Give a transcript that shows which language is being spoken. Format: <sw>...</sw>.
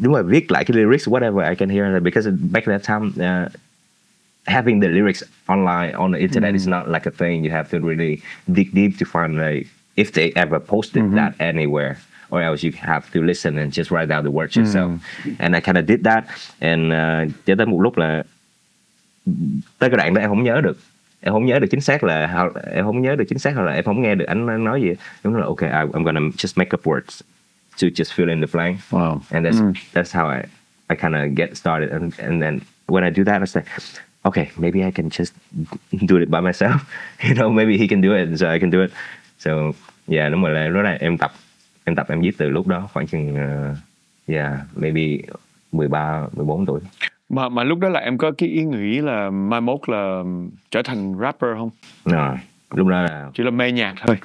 <vi>đúng rồi, viết lại cái lyrics</vi> <en>whatever I can hear, because back that time having the lyrics online on the internet is not like a thing. You have to really dig deep to find like if they ever posted that anywhere, or else you have to listen and just write down the words yourself. And I kind of did that, and</en> <vi>tới một lúc là tới cái đoạn đó em không nhớ được chính xác hoặc là em không nghe được anh nói gì. Đúng là</vi> <en>ok, I'm gonna just make up words to just fill in the blank. Wow. And that's how I kind of get started. And then when I do that, I say, okay, maybe I can just do it by myself. You know, maybe he can do it, so I can do it. So, yeah,</en> <vi>đúng rồi, lúc này em tập, em viết từ lúc đó khoảng chừng, maybe 13, 14 tuổi. Mà lúc đó là em có cái ý nghĩ là mai mốt là trở thành rapper không? Rồi, lúc đó là... Chỉ là mê nhạc thôi.</vi>